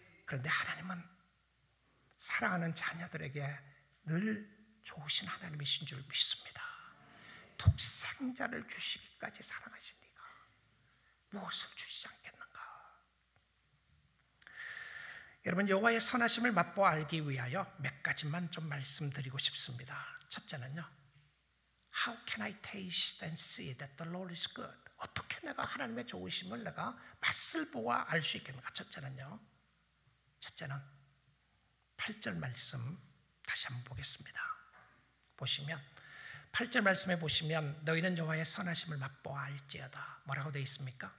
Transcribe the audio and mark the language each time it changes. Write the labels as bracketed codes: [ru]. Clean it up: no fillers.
[ko] 그런데 하나님은 사랑하는 자녀들에게 늘 좋으신 하나님이신 줄 믿습니다. 독생자를 주시기까지 사랑하신 이가 무엇을 주시지 않겠는가? 여러분, 여호와의 선하심을 맛보아 알기 위하여 몇 가지만 좀 말씀드리고 싶습니다. 첫째는요, [en] How can I taste and see that the Lord is good? [ko] 어떻게 내가 하나님의 좋으심을 내가 맛을 보아 알 수 있겠는가? 첫째는 8절 말씀 다시 한번 보겠습니다. 보시면 8절 말씀에 보시면 너희는 여호와의 선하심을 맛보아 알지어다. 뭐라고 되어 있습니까?